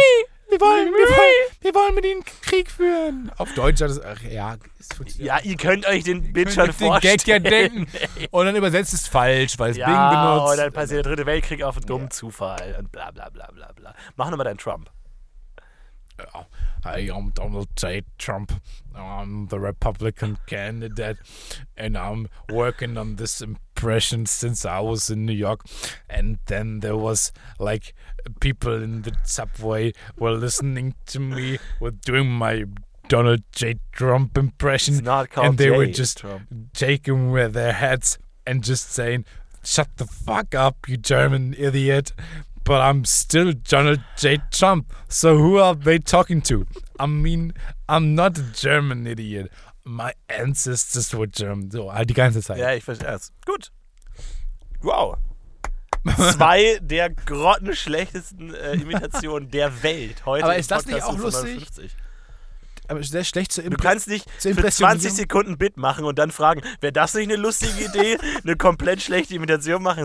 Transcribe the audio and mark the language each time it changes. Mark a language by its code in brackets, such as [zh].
[de] Wir wollen mit ihnen Krieg führen. Auf Deutsch hat es. Ach ja, es funktioniert. Ja, ihr könnt euch den Bild schon vorstellen. Den Gag ja denken. Und dann übersetzt es falsch, weil es ja, Bing benutzt. Und dann passiert der dritte Weltkrieg auf einen dummen Zufall und bla bla bla bla bla. Mach nochmal deinen Trump. [en] Ja, I am Donald J. Trump. I'm the Republican candidate. And I'm working on this impression since I was in New York. And then there was like people in the subway were listening to me with doing my Donald J. Trump impression. It's not called and they J. were just Trump. Shaking with their heads and just saying, shut the fuck up, you German idiot. But I'm still Donald J. Trump. So who are they talking to? I mean, I'm not a German idiot. My ancestors were German. [de] So, halt die ganze Zeit. Ja, ich verstehe es. Gut. Wow. Zwei der grottenschlechtesten Imitationen der Welt heute. Aber ist Podcast das nicht auch lustig? Aber sehr schlecht zu du kannst nicht für 20 Sekunden Bit machen und dann fragen, wäre das nicht eine lustige Idee, eine komplett schlechte Imitation machen?